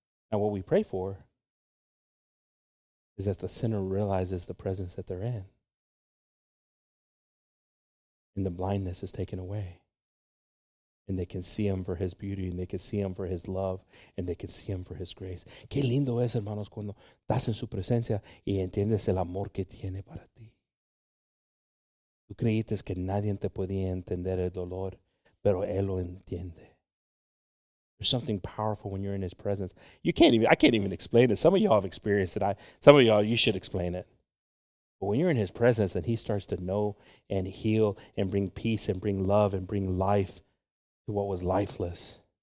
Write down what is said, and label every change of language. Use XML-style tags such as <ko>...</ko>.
<en>Now, what we pray for is that the sinner realizes the presence that they're in. And the blindness is taken away. And they can see him for his beauty, and they can see him for his love, and they can see him for his grace.</en> <es>Qué lindo es, hermanos, cuando estás en su presencia y entiendes el amor que tiene para ti. Tú creíste que nadie te podía entender el dolor, pero él lo entiende.</es> <en>There's something powerful when you're in his presence. I can't even explain it. Some of y'all have experienced it. Some of y'all, you should explain it. But when you're in his presence and he starts to know and heal and bring peace and bring love and bring life, what was lifeless.</en>